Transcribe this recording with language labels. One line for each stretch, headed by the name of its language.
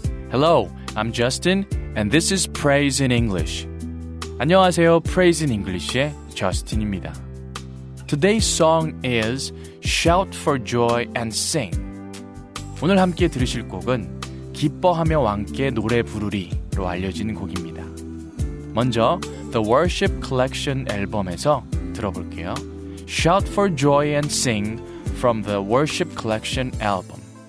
English: Hello, I'm Justin, and this is Praise in English.
Korean: 안녕하세요, Praise in English의 Justin입니다.
English: Today's song is Shout for Joy and Sing.
Korean: 오늘 함께 들으실 곡은 기뻐하며 왕께 노래 부르리로 알려진 곡입니다. 먼저 The Worship Collection 앨범에서 들어볼게요.
English: Shout for Joy and Sing from The Worship Collection album.